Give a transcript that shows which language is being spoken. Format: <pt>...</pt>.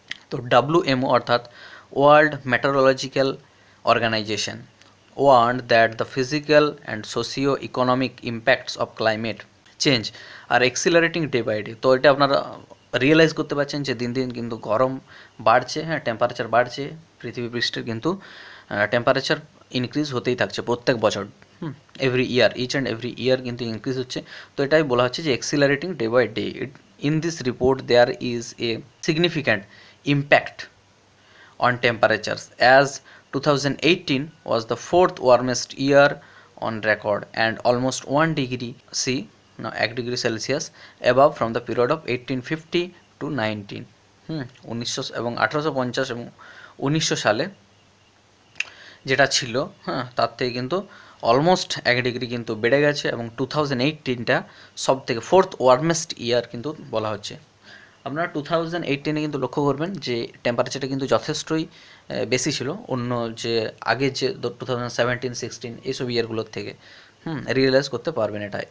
<bn>তো WMO অর্থাৎ world meteorological organisation</bn> <en>warned that the physical and socio-economic impacts of climate change are accelerating day by day.</en> <bn>তো এটা আপনারা realise করতে পারছেন যে দিন দিন কিন্তু গরম বাড়ছে, হ্যাঁ টেম্পারেচার বাড়ছে, পৃথিবী পৃষ্ঠের কিন্তু টেম্পারেচার ইনক্রিজ হতেই থাকছে প্রত্যেক বছর,</bn> <en>each and every year</en> <bn>কিন্তু ইনক্রিজ হচ্ছে। তো এটাই বলা হচ্ছে যে</bn> <en>Accelerating day by day. In this report there is a significant impact on temperatures as 2018 was the fourth warmest year on record and almost 1 degree C, no, 1 degree Celsius above from the period of 1850 to 19.</en> <bn>1900 এবং 1850 এবং 1900 সালে যেটা ছিল, হ্যাঁ তার থেকে কিন্তু almost 1 degree কিন্তু বেড়ে গেছে, এবং 2018টা সব থেকে ফোর্থ ওয়ার্মেস্ট ইয়ার কিন্তু বলা হচ্ছে। আপনারা 2018 কিন্তু লক্ষ্য করবেন যে টেম্পারেচারটা কিন্তু যথেষ্টই বেশি ছিল অন্য যে আগে যে 2017-16 এইসব ইয়ারগুলোর থেকে, রিয়েলাইজ করতে পারবেন এটা।</bn>